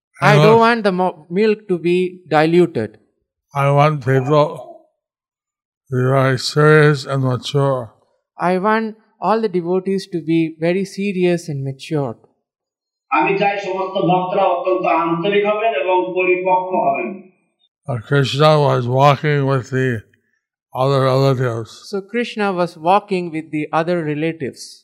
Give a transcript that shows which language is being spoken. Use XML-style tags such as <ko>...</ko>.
<en>I don't want the milk to be diluted. I want people to be very serious and mature. I want all the devotees to be very serious and matured.</en> <bn>আমি চাই সমস্ত ভক্তরা অত্যন্ত আন্তরিক হবেন এবং পরিপক্ক হবেন.</bn> <en>Krishna was walking with the other relatives. So Krishna was walking with the other relatives.</en>